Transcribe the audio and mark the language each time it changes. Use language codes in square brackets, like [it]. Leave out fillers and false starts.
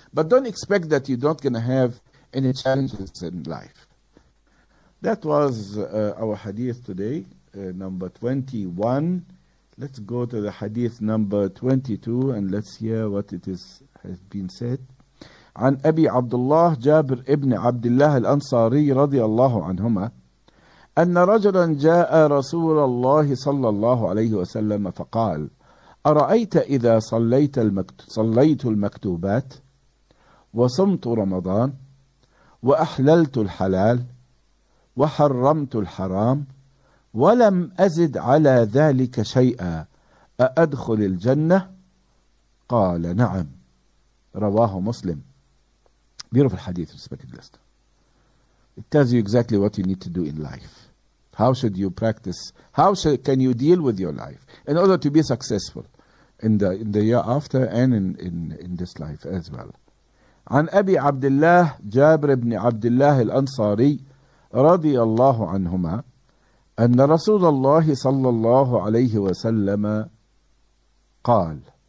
[en] But don't expect that you're not going to have any challenges in life. That was our hadith today, number 21. Let's go to the hadith number 22 and let's hear what it is has been said. [ar] عن أبي عبد الله جابر ابن عبد الله الأنصاري رضي الله عنهما أن رجلا جاء رسول الله صلى الله عليه وسلم فقال أرأيت إذا صليت المكتوبات وصمت رمضان وأحللت الحلال وحرمت الحرام ولم أزد على ذلك شيئا أأدخل الجنة؟ قال نعم رواه مسلم. [en] Beautiful hadith, respected listener. It tells you exactly what you need to do in life. How should you practice? Can you deal with your life in order to be successful in the year after and in this life as well? [ar] عن أبي عبد الله جابر بن عبد الله الأنصاري رضي الله عنهما أن رسول الله صلى الله عليه وسلم قال.